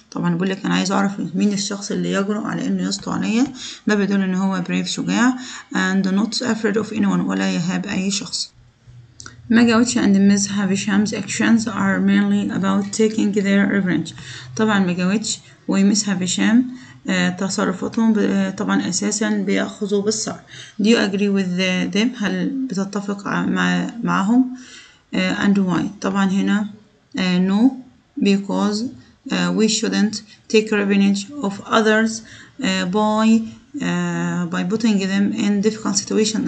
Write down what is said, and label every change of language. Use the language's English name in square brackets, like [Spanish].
[Arabic] طبعا بقول لك أنا عايز أعرف مين الشخص اللي يجرؤ على إنه يسطو عليا. ده بيدل أن هو [English] brave [Arabic] شجاع [English] and not afraid of anyone [Arabic] ولا يهاب أي شخص. [English] Maga Witch and Ms. Havisham's actions are mainly about taking their revenge. [Arabic] طبعا Maga Witch و Ms. Havisham تصرفاتهم طبعا أساسا بيأخذوا بالسعر. [English] Do you agree with them? [Arabic] هل بتتفق معهم؟ [English] And why? [Arabic] طبعا هنا [English] no, because we shouldn't take revenge of others by putting them in difficult situation.